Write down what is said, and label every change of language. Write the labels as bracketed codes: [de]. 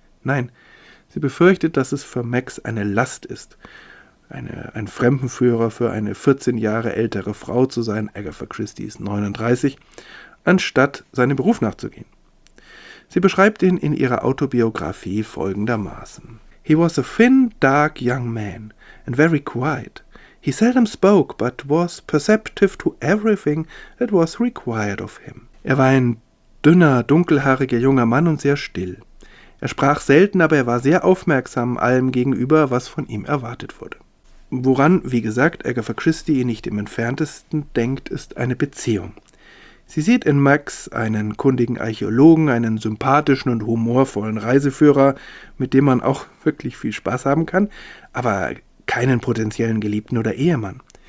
[de] Nein, sie befürchtet, dass es für Max eine Last ist, ein Fremdenführer für eine 14 Jahre ältere Frau zu sein, Agatha Christie ist 39, anstatt seinem Beruf nachzugehen. Sie beschreibt ihn in ihrer Autobiografie folgendermaßen. [en] He was a thin, dark young man and very quiet. He seldom spoke, but was perceptive to everything that was required of him. [de] Er war ein dünner, dunkelhaariger junger Mann und sehr still. Er sprach selten, aber er war sehr aufmerksam allem gegenüber, was von ihm erwartet wurde. Woran, wie gesagt, Agatha Christie nicht im Entferntesten denkt, ist eine Beziehung. Sie sieht in Max einen kundigen Archäologen, einen sympathischen und humorvollen Reiseführer, mit dem man auch wirklich viel Spaß haben kann, aber keinen potenziellen Geliebten oder Ehemann.